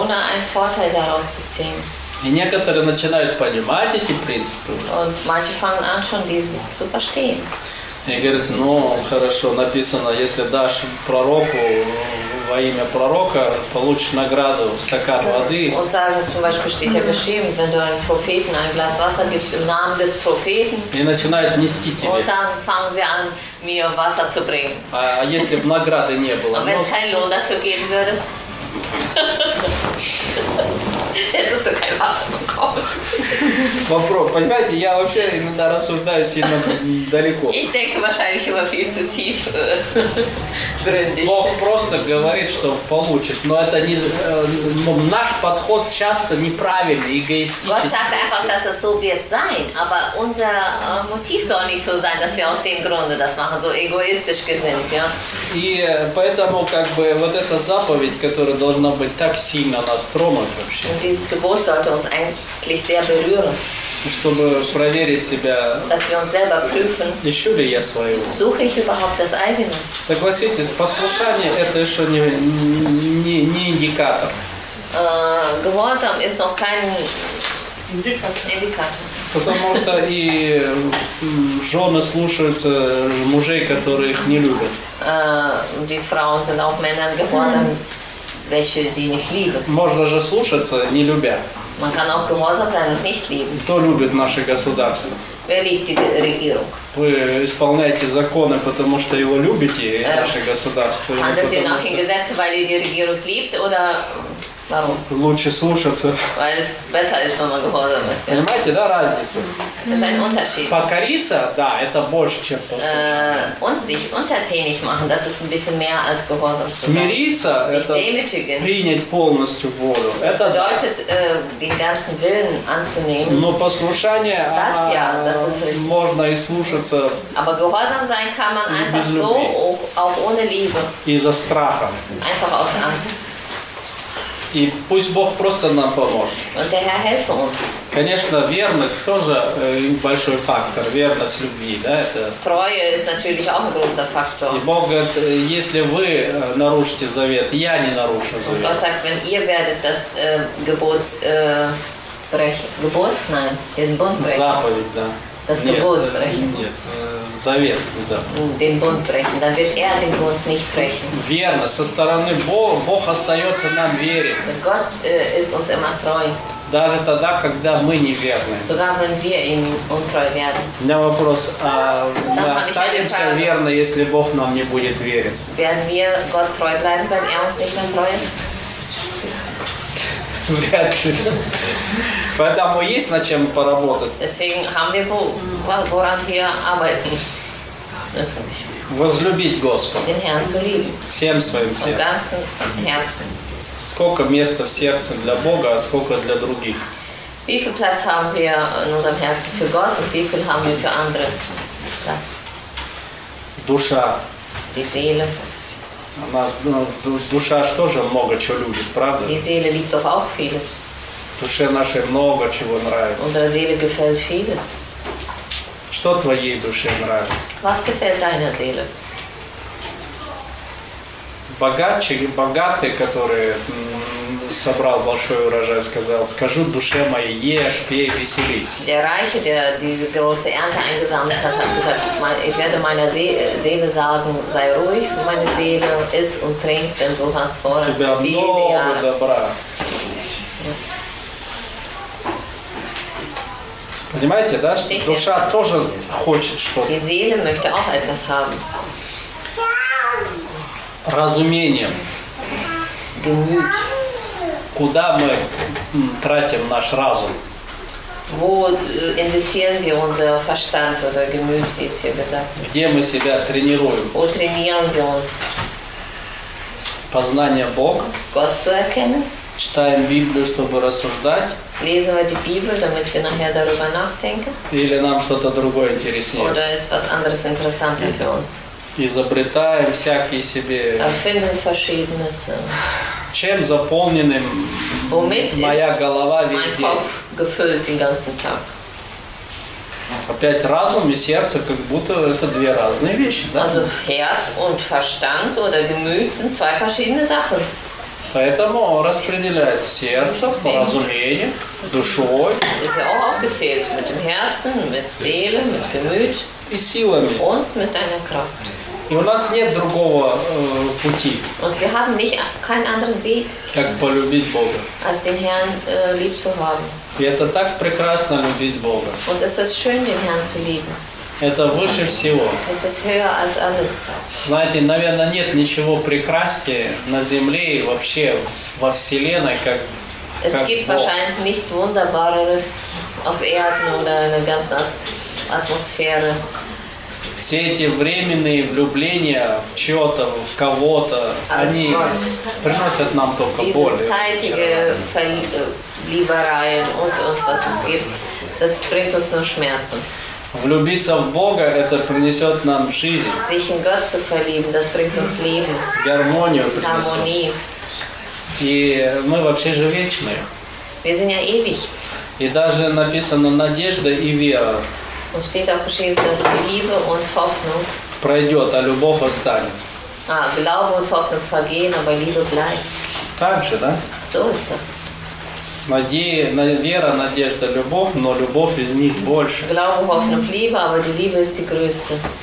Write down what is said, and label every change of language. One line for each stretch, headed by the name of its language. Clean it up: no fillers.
German: Ohne einen Vorteil daraus zu ziehen.
Russian: И некоторые начинают понимать эти принципы.
German: Und manche fangen an schon dieses zu verstehen.
Russian: И говорит, ну, хорошо, написано, если дашь пророку во имя пророка, получишь награду, стакан воды.
German: Und sagen zum Beispiel steht ja geschrieben, wenn du einem Propheten ein Glas Wasser gibst im Namen des Propheten.
Russian: И начинают нести тебе.
German: Und dann fangen sie an, mir Wasser zu bringen.
Russian: А если бы награды не было?
German: Wenn es keinen Lohn dafür geben würde. Hättest du kein Wasser bekommen.
Russian: Вопрос, понимаете, я вообще иногда рассуждаю сильно далеко.
German: Ich denke wahrscheinlich immer viel zu tief.
Russian: Бог просто говорит, что получит, но это не, наш подход часто неправильный, эгоистический.
German: Gott sagt einfach, dass es so wird sein, aber unser Motiv soll nicht so sein, dass wir aus dem Grunde das machen, so egoistisch gesinnt, ja.
Russian: И поэтому как бы вот эта заповедь, которая должна быть так сильно нас тронуть вообще.
German: Und dieses Gebot sollte uns eigentlich sehr berühren.
Russian: Чтобы проверить себя,
German: prüfen,
Russian: ищу ли я своего.
German: Suche ich überhaupt das eigene?
Russian: Согласитесь, послушание – это еще не индикатор.
German: Gehorsam ist noch kein Indikator.
Russian: Потому что и жены слушаются мужей, которые их не любят.
German: Die Frauen sind auch Männern gehorsam, welche sie nicht lieben.
Russian: Можно же слушаться, не любя.
German: Man kann auch gehorsam sein und nicht lieben.
Russian: Кто любит наше государство?
German: Wer liebt die Regierung?
Russian: Вы исполняете законы, потому что его любите, наше государство.
German: Handelt ihr nach den Gesetzen, weil ihr die Regierung liebt, oder warum?
Russian: Лучше слушаться.
German: Weil es besser ist, wenn man gehorsam ist.
Russian: Понимаете, да, разницу?
German: Es ist ein Unterschied.
Russian: Покориться, да, это больше, чем послушаться.
German: Und sich untertänig machen, das ist ein bisschen mehr als gehorsam zu sein.
Russian: Смириться, это
German: demütigen.
Russian: Принять полностью волю.
German: Das
Russian: это
German: bedeutet, den ganzen Willen anzunehmen.
Russian: Но послушание,
German: das, ja, das ist
Russian: можно и слушаться.
German: Aber gehorsam sein kann man einfach so, auch ohne Liebe.
Russian: Из-за страха.
German: Einfach aus Angst.
Russian: И пусть Бог просто нам поможет.
German: Und der Herr helfe uns.
Russian: Конечно, верность тоже большой фактор. Верность любви, да, это.
German: Treue ist natürlich auch ein großer Faktor.
Russian: И Бог говорит, если вы нарушите завет, я не нарушу завет.
German: Gott sagt, wenn ihr werdet das Gebot brechen. Gebot? Nein, den Bund brechen.
Russian: Заповедь, да.
German: Das
Russian: нет,
German: Gebot brechen.
Russian: Нет, завет, не завет.
German: Den Bund brechen, dann wird er den Bund nicht brechen.
Russian: Верно, со стороны Бога, Бог остается нам верен.
German: Gott ist uns immer treu.
Russian: Даже тогда, когда мы неверны.
German: Sogar wenn wir ihm untreu werden.
Russian: У меня вопрос, а мы останемся верны, если Бог нам не будет верен?
German: Werden wir Gott treu bleiben, wenn er uns nicht mehr treu ist?
Russian: Вряд ли. Поэтому есть над чем поработать.
German: Deswegen haben wir woran wir arbeiten.
Russian: Возлюбить Господа.
German: Den Herrn zu lieben.
Russian: Всем своим сердцем. Сколько места в сердце для Бога, а сколько для других?
German: Wie viel Platz haben wir in unserem Herzen für Gott und wie viel haben wir für andere Platz?
Russian: Душа.
German: Die Seele.
Russian: Она, ну, душа же тоже много чего любит, правда?
German: Die Seele liebt doch auch vieles.
Russian: Душе нашей много чего нравится.
German: Unserer Seele gefällt vieles.
Russian: Что твоей душе нравится?
German: Was gefällt deiner Seele?
Russian: Богачи, богатые, которые собрал большой урожай, сказал, скажу душе моей, ешь, пей, веселись.
German: Der Reiche, der diese große Ernte eingesammelt hat, hat gesagt, ich werde meiner Seele sagen, sei ruhig, meine Seele, iss und trink, denn du hast vor, viele Jahre.
Russian: Тебя много добра. Понимаете, да, что душа тоже хочет что-то.
German: Die Seele möchte auch etwas haben.
Russian: Разумением.
German: Gemüt.
Russian: Куда мы тратим наш разум?
German: Wo investieren wir unser Verstand oder Gemüt, wie es hier gesagt ist?
Russian: Где мы себя тренируем?
German: Wo trainieren wir uns?
Russian: Познание Бога.
German: Gott zu erkennen.
Russian: Читаем Библию, чтобы рассуждать.
German: Lesen wir die Bibel, damit wir nachher darüber nachdenken.
Russian: Или нам что-то другое интереснее.
German: Oder ist was anderes interessanter für uns?
Russian: Изобретаем всякие себе.
German: Erfinden verschiedene Sachen.
Russian: Чем заполнены моя голова весь день?
German: Mein Kopf gefüllt den ganzen Tag.
Russian: Опять разум и сердце, как будто это две разные вещи, да?
German: Also Herz und Verstand oder Gemüt sind zwei verschiedene Sachen.
Russian: Поэтому распределяется сердце по разумению, душой.
German: Ist ja auch aufgezählt mit dem Herzen, mit Seele, mit Gemüt.
Russian: И силами.
German: Und mit deiner Kraft.
Russian: И у нас нет другого пути.
German: Und wir haben nicht keinen anderen Weg.
Russian: Как полюбить Бога.
German: Als den Herrn lieb zu haben.
Russian: И это так прекрасно любить Бога.
German: Und es ist schön, den Herrn zu lieben.
Russian: Это выше всего.
German: Es ist höher als alles.
Russian: Знаете, наверное, нет ничего прекраснее на земле и вообще во вселенной, как
German: Es
Russian: как
German: gibt
Russian: Бог.
German: Wahrscheinlich nichts Wunderbareres auf Erden oder in der ganzen Atmosphäre.
Russian: Все эти временные влюбления в чьё-то, в кого-то, они приносят нам только боль.
German: Diese zeitige Verliebereien und was es gibt, das bringt uns nur Schmerzen.
Russian: Влюбиться в Бога – это принесёт нам жизнь.
German: Sich in Gott zu verlieben, das bringt uns Leben.
Russian: Гармонию принесёт. И мы вообще же вечные.
German: Wir sind ja ewig.
Russian: И даже написано «надежда и вера».
German: Und steht auch geschrieben, dass Liebe und Hoffnung
Russian: пройдет, а любовь останется.
German: А, Glaube und Hoffnung vergehen, aber Liebe bleibt.
Russian: Так же, да?
German: So ist das.
Russian: Вера, надежда, любовь, но любовь из них больше.
German: Glaube, Hoffnung, Liebe, aber die Liebe ist die größte.